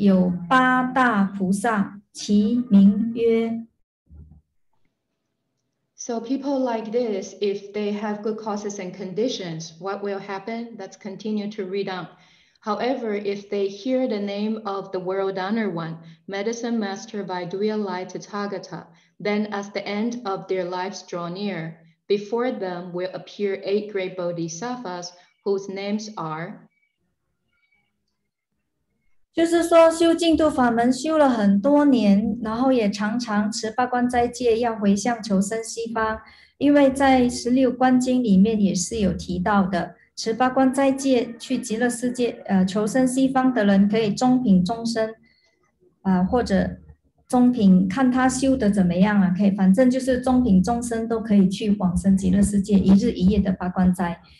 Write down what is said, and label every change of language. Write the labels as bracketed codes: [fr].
[zh] 像这样子的人呢，如果他有这个善因缘，能够怎么样呢？我们继续看。若闻世尊药师琉璃光如来名号，临命终时有八大菩萨，其名曰。 [en] So people like this, if they have good causes and conditions, what will happen? Let's continue to read on. However, if they hear the name of the World Honor One, Medicine Master Vaiduya Lai Tathagata, then as the end of their lives draw near, before them will appear 8 great bodhisattvas whose names are [zh] 就是说修净土法门修了很多年，然后也常常持八关斋戒，要回向求生西方，因为在16观经里面也是有提到的，持八关斋戒去极乐世界，求生西方的人可以中品众生，或者中品看他修得怎么样啊，可以，反正就是中品众生都可以去往生极乐世界，一日一夜的八关斋。